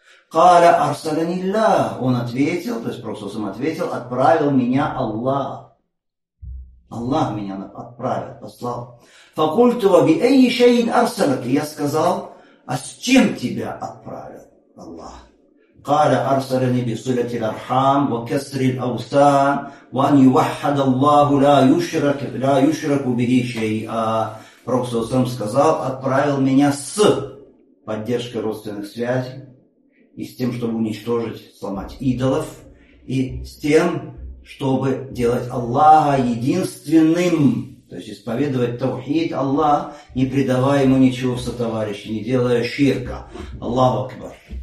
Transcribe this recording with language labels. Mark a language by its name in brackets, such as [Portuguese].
[Arabic] قَالَ أَرْسَلَنِ اللَّهُ. [Russian] Он ответил, то есть пророк сам ответил, отправил меня Аллах. Аллах меня отправил, послал. [Arabic] فَقُلْتُ وَبِأَيِّ شَيْءٍ أَرْسَلَكَ. [Russian] Я сказал, а с чем тебя отправил Аллах? [Arabic] قال أرسلني بصلة الأرحام وكسر الأوثان وأن يوحد الله لا يشرك به شيئا. [Russian] Пророк Саусам сказал, отправил меня с поддержкой родственных связей и с тем, чтобы уничтожить, сломать идолов, и с тем, чтобы делать Аллаха единственным, то есть исповедовать таухид Аллаха, не предавая ему ничего в сотоварищи, не делая ширка. Аллаху Акбар.